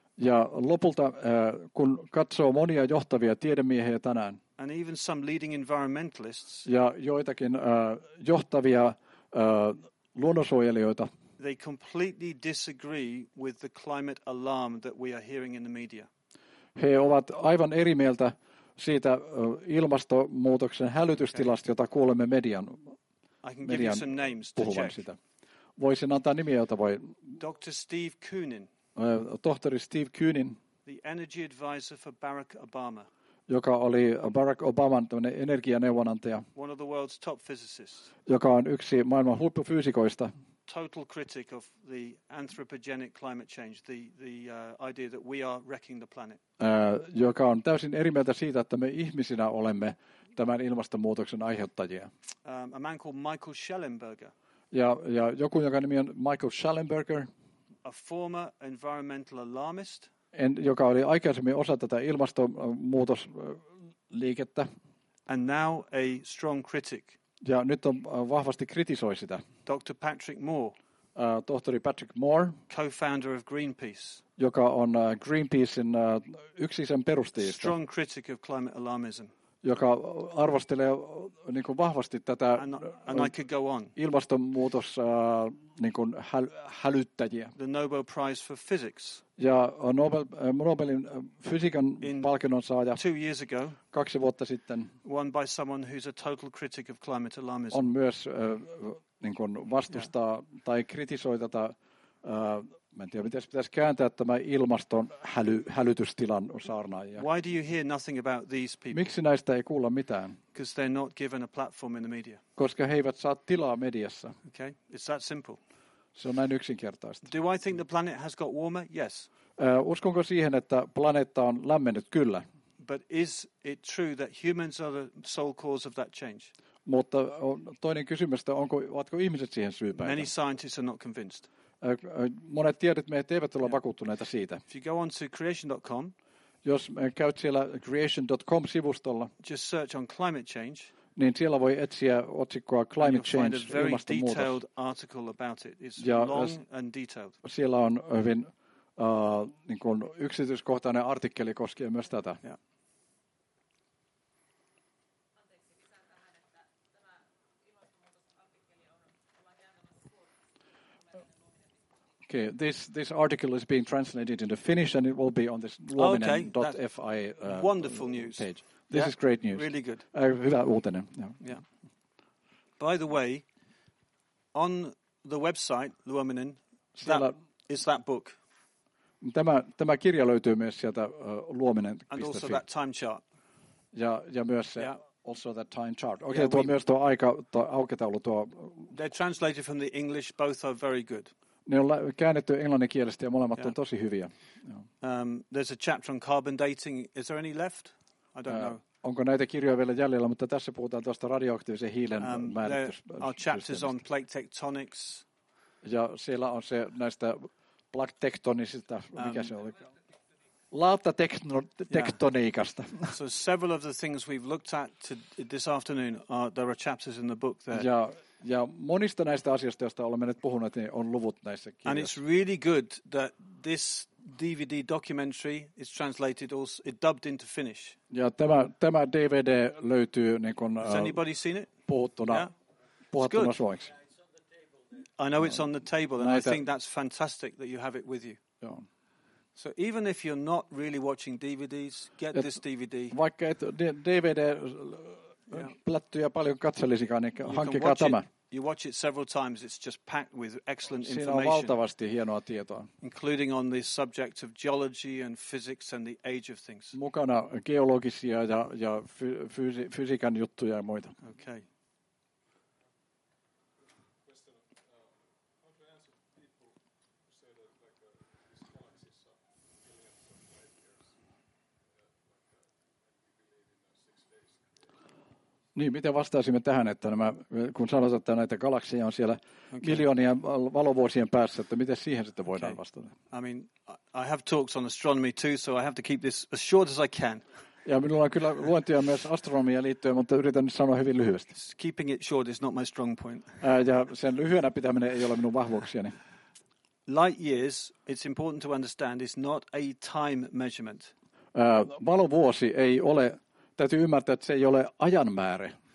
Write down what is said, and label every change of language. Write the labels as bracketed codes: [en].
[fi] Ja lopulta kun katsoo monia johtavia tiedemiehiä tänään. [en] And even some leading environmentalists. [fi] Ja joitakin johtavia luonnonsuojelijoita. [en] They completely disagree with the climate alarm that we are hearing in the media. [fi] He ovat aivan eri mieltä siitä ilmastonmuutoksen hälytystilasta, jota kuulemme median [en] some names [fi] puhuvan [en] to [fi] sitä. Voisin antaa nimiä, jota voi. [en] Dr. Steve Koonin. [fi] Tohtori Steve Koonin. [en] The energy advisor for Barack Obama. [fi] Joka oli Barack Obaman tämmöinen energianeuvonantaja. [en] One of the world's top physicists. [fi] Joka on yksi maailman huippufyysikoista. [en] Total critic of the anthropogenic climate change, the idea that we are wrecking the planet. [fi] Joka on täysin eri mieltä siitä, että me ihmisinä olemme tämän ilmastonmuutoksen aiheuttajia. [en] A man called Michael Schellenberger. [fi] Ja joku, joka nimi on Michael Schellenberger. [en] A former environmental alarmist. [fi] Joka oli aikaisemmin osa tätä ilmastonmuutosliikettä. [en] And now a strong critic. [fi] Ja nyt on vahvasti kritisoi sitä. [en] Dr. Patrick Moore. [fi] Tohtori Patrick Moore. [en] Co-founder of Greenpeace. [fi] Joka on Greenpeacein yksi sen perustajista. [en] Strong critic of climate alarmism. [fi] Joka arvostelee niin kuin vahvasti tätä ilmastonmuutos niin kuin hälyttäjiä. [en] The Nobel Prize for Physics. [fi] Ja Nobelin fysiikan palkinnon saaja [en] 2 years ago, [fi] 2 vuotta sitten, [en] won by someone who's a total critic of climate alarmism. [fi] On myös niin kuin vastustaa tai kritisoi tätä en tiedä, miten pitäisi kääntää tämä ilmaston hälytystilan saarnaajia. [en] Why do you hear nothing about these people? [fi] Miksi näistä ei kuulla mitään? [en] Because they're not given a platform in the media. [fi] Koska he eivät saa tilaa mediassa. [en] Okay, it's that simple. [fi] Se on näin yksinkertaista. [en] Do I think the planet has got warmer? Yes. [fi] Uskonko siihen, että planeetta on lämmennyt? Kyllä. [en] But is it true that humans are the sole cause of that change? [fi] Mutta toinen kysymys, että ovatko ihmiset siihen syypäitä? [en] Many scientists are not convinced. [fi] Monet tiedot meidät eivät ole vakuuttuneita siitä. [en] If you go on to creation.com, [fi] jos käyt siellä creation.com-sivustolla, [en] just search on climate change, [fi] niin siellä voi etsiä otsikkoa [en] climate change, [fi] ilmastonmuutos. [en] Very detailed article about it. It's ja long and detailed. [fi] Siellä on hyvin niin kuin yksityiskohtainen artikkeli koskien myös tätä. [en] Yeah. Okay, this article is being translated into Finnish and it will be on this luominen.fi wonderful news page. This is great news. Really good. [fi] Hyvä uutinen. Yeah. [en] By the way, on the website Luominen, is that book. [fi] Tämä kirja löytyy myös sieltä luominen.fi. [en] And also that time chart. [fi] Ja myös se. [en] Yeah. Also that time chart. [fi] Okay, tuo myös tuo aika aukitaulu tuo. [en] They're translated from the English. Both are very good. [fi] Ne on käännetty englannin kielestä ja molemmat on tosi hyviä. [en] There's a chapter on carbon dating. Is there any left? I don't know. [fi] Onko näitä kirjoja vielä jäljellä, mutta tässä puhutaan tuosta radioaktiivisen hiilen määritystä. [en] Our chapters on plate tectonics. [fi] Ja siellä on se näistä plate tectonisista, mikä se oli. Laatta tektoniikasta. [en] Yeah. So several of the things we've looked at this afternoon, there are chapters in the book there. [fi] Ja monista näistä asioista, joista olemme nyt puhuneet, niin on luvut näissä kirjoissa. [en] And it's really good that this DVD documentary is translated also, it dubbed into Finnish. [fi] Ja tämä DVD löytyy niin kuin puhuttuna suomeksi. [en] I know it's on the table and I think that's fantastic that you have it with you. [fi] Joo. [en] So even if you're not really watching DVDs, get this DVD. [fi] Vaikka et DVD plättyjä paljon katselisikaan, niin hankkikaa tämä. [en] You watch it several times, it's just packed with excellent information. [fi] Siinä on valtavasti hienoa tietoa. [en] Including on the subject of geology and physics and the age of things. [fi] Mukana geologisia ja fysiikan juttuja ja muita. [en] Okay. [fi] Niin, miten vastaisimme tähän, että nämä, kun sanotaan, että näitä galakseja on siellä miljoonia valovuosien päässä, että miten siihen sitten voidaan vastata? [en] I mean, I have talks on astronomy too, so I have to keep this as short as I can. [fi] Ja minulla on kyllä luentoja myös astronomia liittyen, mutta yritän nyt sanoa hyvin lyhyesti. [en] Keeping it short is not my strong point. [fi] Ja sen lyhyenä pitäminen ei ole minun vahvuuksiani. [en] Light years, it's important to understand, is not a time measurement. [fi] Valovuosi ei ole, täytyy ymmärtää, että se ei ole ajanmäärä.